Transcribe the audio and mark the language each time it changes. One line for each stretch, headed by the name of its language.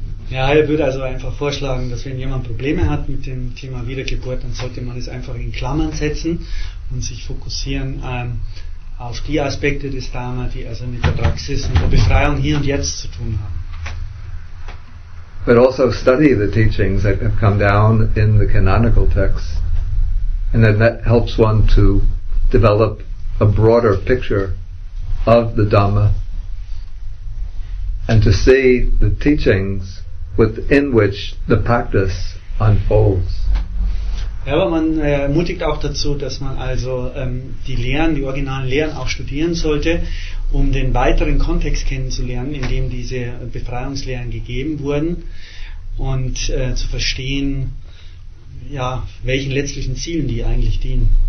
German: Ja, ich würde also einfach vorschlagen, dass wenn jemand Probleme hat mit dem Thema Wiedergeburt, dann sollte man es einfach in Klammern setzen und sich fokussieren auf die Aspekte des Dharma, die also mit der Praxis und der Befreiung hier und jetzt zu tun haben.
English: But also study the teachings that have come down in the canonical texts, and then that helps one to develop a broader picture of the Dhamma and to see the teachings within which the practice unfolds.
German: Ja, aber man ermutigt auch dazu, dass man also die Lehren, die originalen Lehren auch studieren sollte, um den weiteren Kontext kennenzulernen, in dem diese Befreiungslehren gegeben wurden und zu verstehen, ja, welchen letztlichen Zielen die eigentlich dienen.